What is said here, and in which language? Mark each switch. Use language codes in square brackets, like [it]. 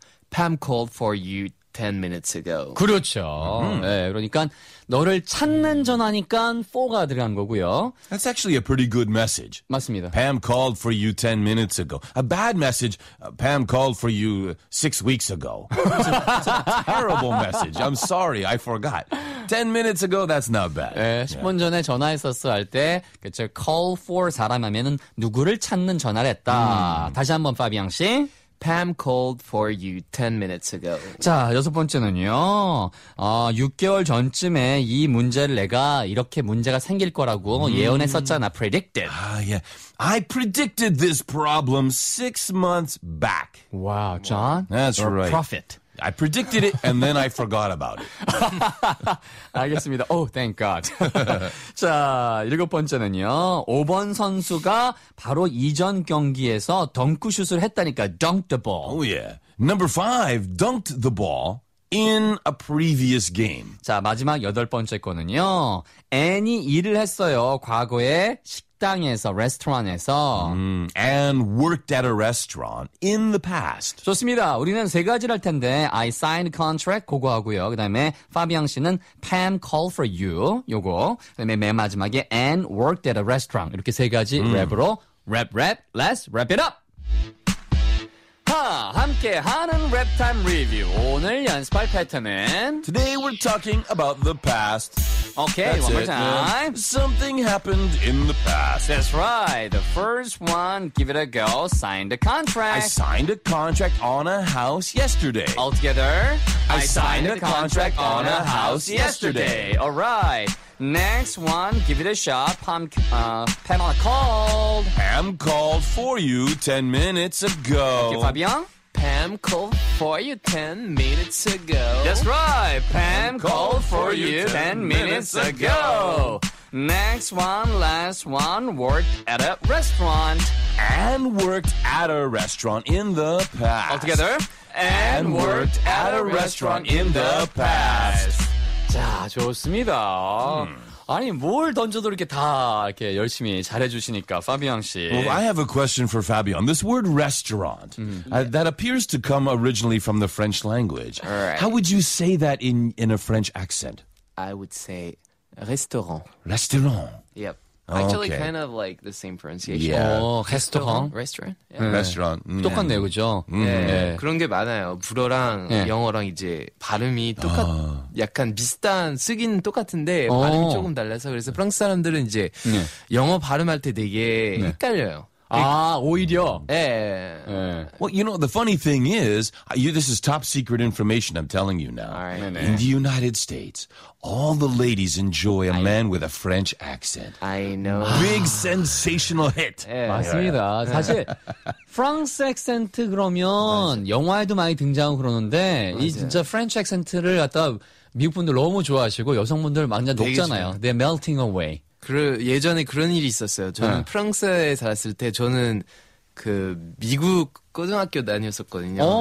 [en] Pam called for you 10 minutes ago. [ko] 그렇죠. 예, 네, 그러니까 너를 찾는 전화니까 for가 들어간 거고요. [en] That's actually a pretty good message. 맞습니다. Pam called for you 10 minutes ago. A bad message. Pam called for you 6 weeks ago. It's a terrible message. I'm sorry. I forgot. 10 minutes ago, that's not bad. [ko] 예, 10분 전에 전화했었어 할 때, 그쵸, call for 사람 하면은 누구를 찾는 전화를 했다. 다시 한번 파비앙 씨. [en] Pam called for you 10 minutes ago. [ko] 자, 여섯 번째는요. 6개월 전쯤에 이 문제를 내가 이렇게 문제가 생길 거라고 예언했었잖아. [en] Predicted. I predicted this problem 6 months back. Wow, John. That's you're right. A prophet. I predicted it and then I forgot about it. [ko] 알겠습니다. [en] Oh, thank God. [ko] 자, 일곱 번째는요. 5번 선수가 바로 이전 경기에서 덩크슛을 했다니까. [en] Dunked the ball. Oh, yeah. Number 5, dunked the ball in a previous game. [ko] 자, 마지막 여덟 번째 거는요. 앤이 일을 했어요. 과거에 식당에서, 레스토랑에서. [en] And worked at a restaurant in the past. [ko] 좋습니다. 우리는 세 가지를 할 텐데 [en] I signed contract [ko] 그거 하고요. 그 다음에 파비앙 씨는 [en] Pam called for you [ko] 요거. 그 다음에 맨 마지막에 [en] And worked at a restaurant. [ko] 이렇게 세 가지 랩으로 랩 [en] Let's wrap it up. [ko] 함께하는 랩타임 리뷰. 오늘 연습할 패턴은 [en] Today we're talking about the past. Okay, That's one more time. Man. Something happened in the past. That's right. The first one, give it a go, signed a contract. I signed a contract on a house yesterday. Altogether, I signed a contract on a house yesterday. All right. Next one, give it a shot. Pamela called. Pam called for you 10 minutes ago. Thank you, Fabian. Pam called for you 10 minutes ago. That's right. Pam called for you 10 minutes ago. Next one, last one, worked at a restaurant. And worked at a restaurant in the past. Altogether. And worked at a restaurant in the past. [ko] 자, 좋습니다. 아니, 뭘 던져도 이렇게 다 이렇게 열심히 잘해주시니까, 파비앙 씨. [en] Well, I have a question for Fabian. This word restaurant, that appears to come originally from the French language. Right. How would you say that in a French accent? I would say restaurant. Restaurant. Yep. Actually, okay. kind of like the same pronunciation. Yeah. Oh, restaurant. Restaurant. Yeah. Restaurant. [ko] Mm. 똑같네요, 그죠? 예. 네. 그런 게 많아요. 불어랑 네. 영어랑 이제 발음이 똑같, 아. 약간 비슷한, 쓰기는 똑같은데 오. 발음이 조금 달라서 그래서 프랑스 사람들은 이제 네. 영어 발음할 때 되게 네. 헷갈려요. 아, 오히려. 예. 네. 네. [en] Well, you know, the funny thing is, you, this is top secret information I'm telling you now. Right. In the United States, all the ladies enjoy a man with a French accent. I know. Big sensational hit. [ko] 네. 맞습니다. 사실, 프랑스 액센트 그러면 맞아. 영화에도 많이 등장하고 그러는데, 맞아. 이 진짜 프렌치 액센트를 갖다 미국 분들 너무 좋아하시고, 여성분들 완전 녹잖아요. [en] They're melting away. [ko] 예전에 그런 일이 있었어요. 저는 네. 프랑스에 살았을 때 저는 그 미국 고등학교 다녔었거든요. 오.